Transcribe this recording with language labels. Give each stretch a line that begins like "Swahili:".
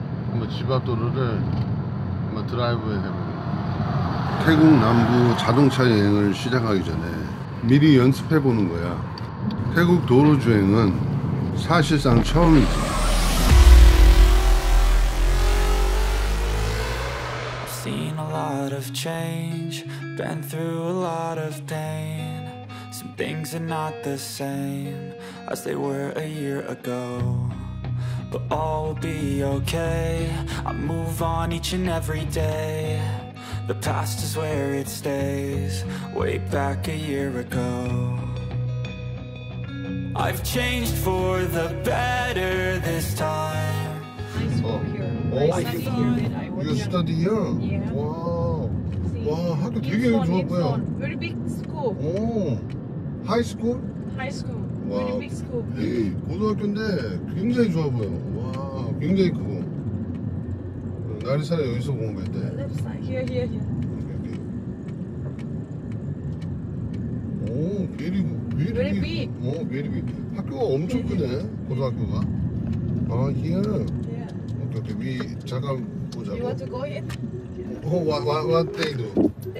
Korean: 한번 집앞 도로를 한번 드라이브 해보고. 태국 남부 자동차 여행을 시작하기 전에 미리 연습해 보는 거야. 태국 도로 주행은 사실상 처음이지.
English: Seen a lot of change, been through a lot of pain. Some things are not the same as they were a year ago. But all will be okay, I move on each and every day. The past is where it stays, way back a year ago. I've changed for the better this time. I school here. Oh, I school here. You study here? Yeah. Wow.
Korean: Wow, 학교 되게 좋았고요.
English: Very big school. High school? High school. Wow. Very big school.
Korean: Hey, 고등학교인데 굉장히 좋아 보여. 와, wow, 굉장히 크고. 나리사라 여기서 공부했대.
English: Left side. Here, here, here. 오, 베리고. Very big. 오, 베리비.
Korean: 학교가 엄청 크네, 고등학교가.
English: 아, here. Yeah.
Korean: Okay, 우리 잠깐. 보자고. You
English: want to go in? Oh, what they do?